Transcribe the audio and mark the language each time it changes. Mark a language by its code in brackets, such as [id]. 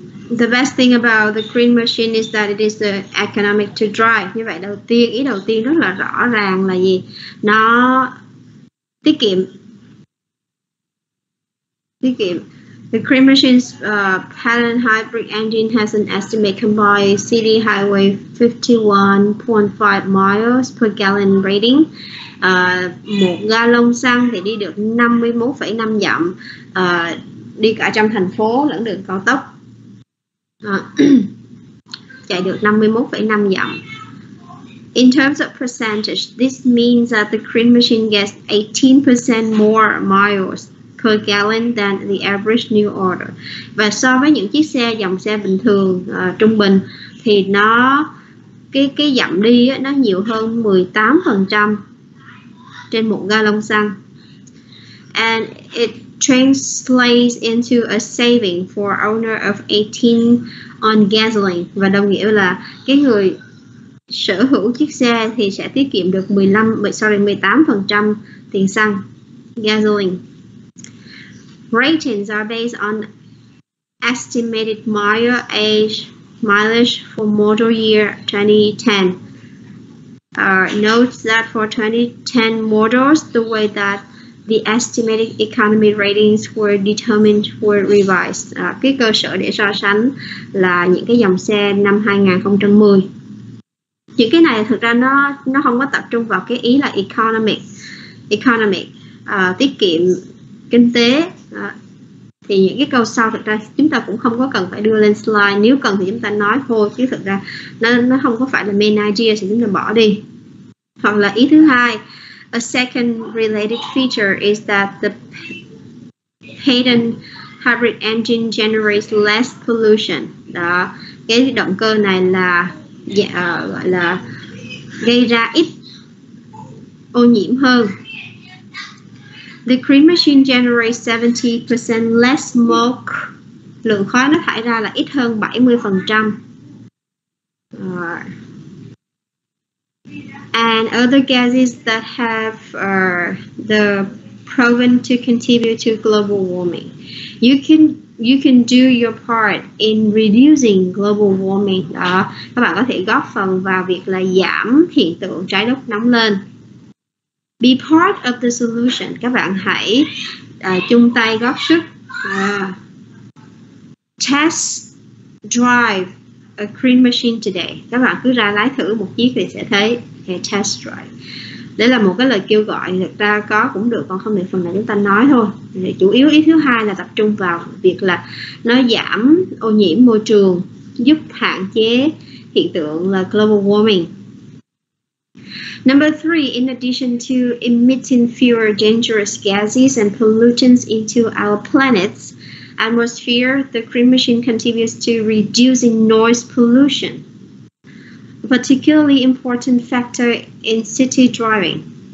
[en] The best thing about the green machine is that it is economic to drive. [vi] Như vậy đầu tiên, ý đầu tiên rất là rõ ràng là gì? Nó tiết kiệm. Tiết kiệm. [en] The cream machine's patent hybrid engine has an estimated combined city highway 51.5 miles per gallon rating. [vi] Một gallon xăng thì đi được 51.5 dặm, đi cả trong thành phố lẫn đường cao tốc. chạy được 51.5 dặm. [en] In terms of percentage, this means that the cream machine gets 18% more miles per gallon than the average new order. [vi] Và so với những chiếc xe, dòng xe bình thường, trung bình, thì nó, cái dặm đi ấy, nó nhiều hơn 18% trên một gallon xăng. [en] And it translates into a saving for owner of 18 on gasoline. [vi] Và đồng nghĩa là cái người sở hữu chiếc xe thì sẽ tiết kiệm được 18% tiền xăng, gasoline. [en] Ratings are based on estimated mileage for model year 2010. Note that for 2010 models, the way that the estimated economy ratings were determined were revised. [vi] Cái cơ sở để so sánh là những cái dòng xe năm 2010. Những cái này thực ra nó không có tập trung vào cái ý là economic tiết kiệm kinh tế. Thì những cái câu sau thực ra chúng ta cũng không có cần phải đưa lên slide. Nếu cần thì chúng ta nói thôi, chứ thực ra nó không có phải là main idea thì chúng ta bỏ đi. Hoặc là ý thứ hai, [en] a second related feature is that the patent hybrid engine generates less pollution. [vi] Đó, cái động cơ này là gọi là gây ra ít ô nhiễm hơn. [en] The cream machine generates 70% less smoke. [vi] Lượng khói nó thải ra là ít hơn 70%. [en] And other gases that have the proven to contribute to global warming. You can do your part in reducing global warming. [vi] Đó, các bạn có thể góp phần vào việc là giảm hiện tượng trái đất nóng lên. [en] Be part of the solution. [vi] Các bạn hãy chung tay góp sức. [en] Test drive a green machine today. [vi] Các bạn cứ ra lái thử một chiếc thì sẽ thấy. [en] Okay, test drive. [vi] Đây là một cái lời kêu gọi, thực ra có cũng được, còn không thì phần này chúng ta nói thôi. Thì chủ yếu ý thứ hai là tập trung vào việc là nó giảm ô nhiễm môi trường, giúp hạn chế hiện tượng là global warming. [en] Number three, in addition to emitting fewer dangerous gases and pollutants into our planet's atmosphere, the green machine contributes to reducing noise pollution, a particularly important factor in city driving.